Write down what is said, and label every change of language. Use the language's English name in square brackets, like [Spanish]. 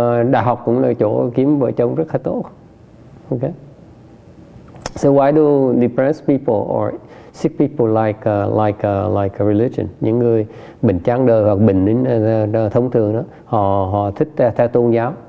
[Vietnamese] Đại học cũng là chỗ kiếm vợ chồng rất là tốt. [English] Okay. So why do depressed people or sick people like a religion? [Vietnamese] Những người bệnh chán đời hoặc bệnh thông thường đó, họ thích theo tôn giáo.